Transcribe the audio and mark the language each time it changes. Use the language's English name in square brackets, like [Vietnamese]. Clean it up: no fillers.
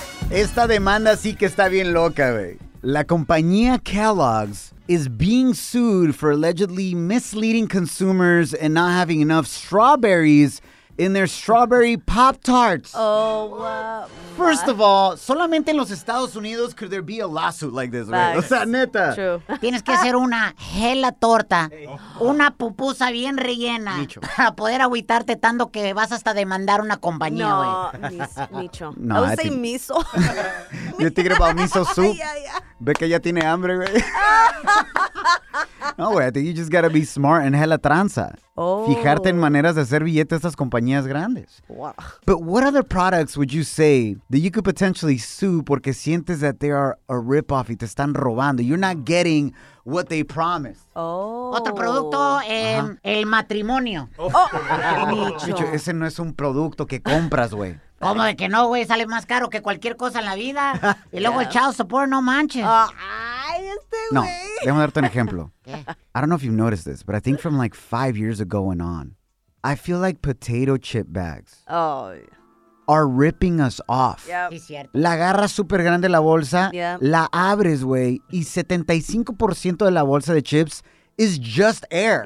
[Spanish] Esta demanda sí que está bien loca, güey. La compañía [English] Kellogg's is being sued for allegedly misleading consumers and not having enough strawberries in their strawberry Pop-Tarts. Oh, First of all, [Spanish] solamente en los Estados Unidos [English] could there be a lawsuit like this, güey. [Spanish] O sea, neta. [English] True. [Spanish] Tienes que hacer una gela torta, una pupusa bien rellena, Micho. Para poder agüitarte tanto que vas hasta demandar una compañía, güey. No, Micho. No, [English] I would say miso. You're thinking about miso soup? Yeah. [Spanish] Ve que ya tiene hambre, güey. No, güey, [English] I think you just gotta be smart and hella tranza. [Spanish] Fijarte en maneras de hacer billetes a estas compañías grandes. [English] Wow. But what other products would you say that you could potentially sue [Spanish] porque sientes [English] that they are a rip-off [Spanish] y te están robando? [English] You're not getting what they promised. Oh. [Spanish] Otro producto, el matrimonio. Oh. Dicho, ese no es un producto que compras, güey. ¿Cómo de que no, güey? Sale más caro que cualquier cosa en la vida. Y luego el child support, no manches. Ay, güey. No, déjame darte un ejemplo. ¿Qué? [English] I don't know if you've noticed this, but I think from like 5 years ago and on, I feel like potato chip bags are ripping us off. Yep. [Spanish] La agarra super grande la bolsa, [English] yep. [Spanish] La abres, güey, y 75% de la bolsa de chips [English] is just air.